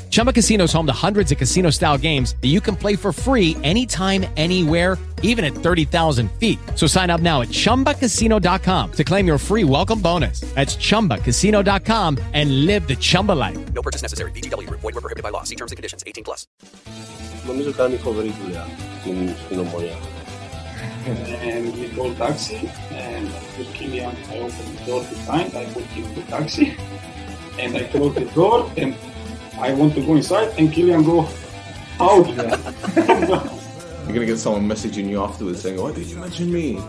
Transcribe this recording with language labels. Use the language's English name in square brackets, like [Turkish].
[English] Chumba Casino is home to hundreds of casino-style games that you can play for free anytime, anywhere, even at 30,000 feet. So sign up now at chumbacasino.com to claim your free welcome bonus. That's chumbacasino.com and live the Chumba life. No purchase necessary. VGW. Void where prohibited by law. See terms and conditions. 18 plus. [Greek] Νομίζω κάνει φοβερή δουλειά στην Ομονία. [English] We call taxi and with Kilian, I open the door behind, I put him in the taxi and I close the door and I want to go inside and Kilian go out. You're going to get someone messaging you afterwards saying, why did you mention me?